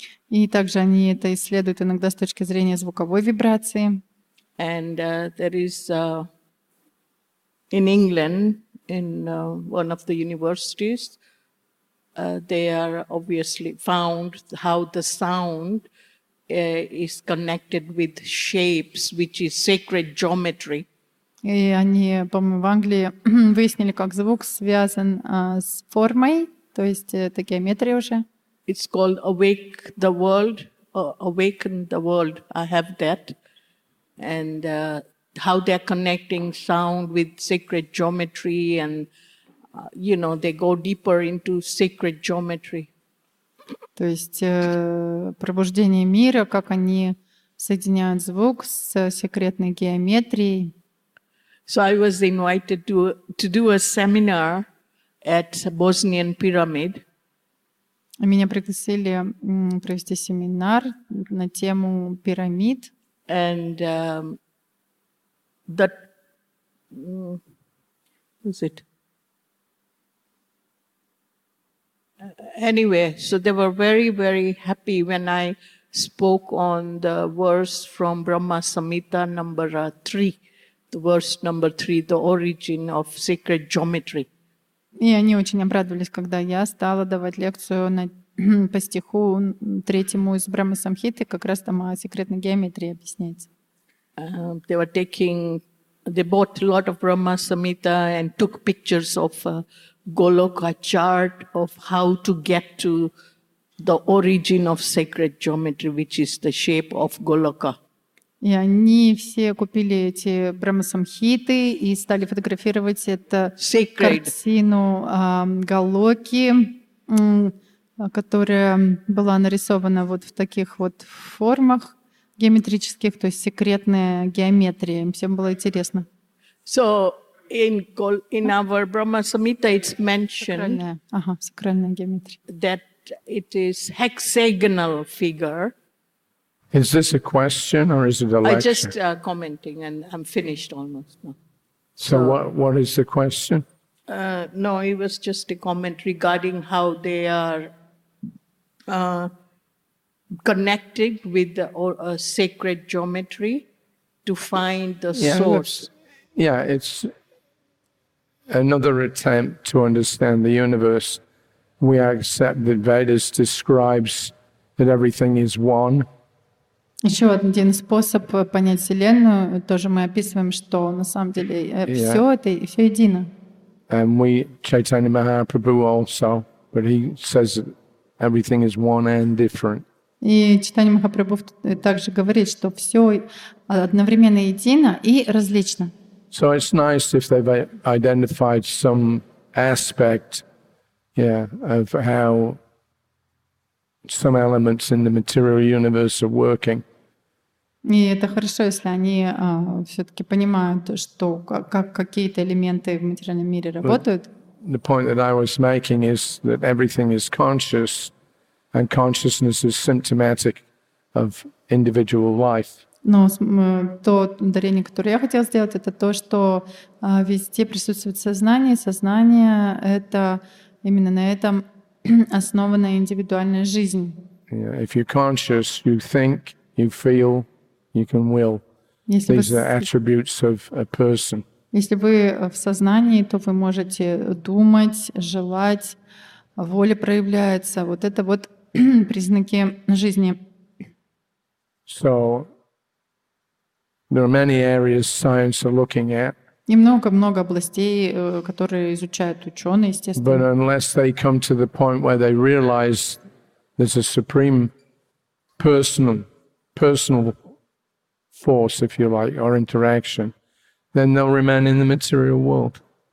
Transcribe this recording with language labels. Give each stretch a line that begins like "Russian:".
Russian: И также они это исследуют иногда с точки зрения звуковой вибрации.
English: And there is in England, in one of the universities. They are obviously found how the sound is connected with shapes, which is sacred geometry.
Russian: И они, по-моему, в Англии выяснили, как звук связан с формой, то есть это геометрия уже.
English: It's called Awake the World, Awaken the World. I have that. And how they're connecting sound with sacred geometry and you know, they go deeper into sacred geometry.
Russian: То есть пробуждение мира, как они соединяют звук с секретной геометрией.
English: So I was invited to do a seminar at Bosnian Pyramid.
Russian: Меня пригласили провести семинар на тему пирамид.
English: And that was it. Anyway, so they were very, very happy when I spoke on the verse from Brahma Samhita number 3, the verse number 3, the origin of sacred geometry.
Russian: И они очень обрадовались, когда я стала давать лекцию по стиху третьему из Брахма Самхиты, как раз там о секретной геометрии объясняется.
English: They bought a lot of Brahma Samhita and took pictures of Goloka chart of how to get to the origin of sacred geometry, which is the shape of Goloka.
Russian: И они все купили эти брахмасамхиты и стали фотографировать эту картину Голоки, которая была нарисована вот в таких вот формах геометрических, то есть секретная геометрия. Им всем было интересно.
English: So, In our Brahma Samhita, it's mentioned
Russian: сакральная геометрия.
English: That it is hexagonal figure. Is this a question or is it a lecture? I just commenting and I'm finished almost. So what is the question? No, it was just a comment regarding how they are connected with a sacred geometry to find the source. Yeah, it's another attempt to understand the universe. We accept that Vedas describes that everything is one.
Russian: Еще один способ понять Вселенную, тоже мы описываем, что на самом деле все это, все едино.
English: And we, Chaitanya Mahaprabhu also, but he says that everything is one and different.
Russian: И Чайтанья Махапрабху также говорит, что все одновременно едино и различно.
English: So it's nice if they've identified some aspect, yeah, of how some elements in the material universe are working.
Russian: И это хорошо, если они все-таки понимают, что как какие-то элементы в материальном мире работают.
English: The point that I was making is that everything is conscious. And consciousness is symptomatic of individual life.
Russian: Но то дарение, которое я хотела сделать, это то, что везде присутствует сознание. Сознание — это именно на этом основана индивидуальная жизнь.
English: If you're conscious, you think, you feel, you can will. These are attributes of a person.
Russian: Если вы в сознании, то вы можете думать, желать, воля проявляется. Вот это вот признаки жизни.
English: So, there are many areas science are looking at.
Russian: И много-много областей, которые изучают ученые, естественно.
English: But unless they come to the point where they realize there's a supreme personal force, if you like, or interaction, then they'll remain in the material world.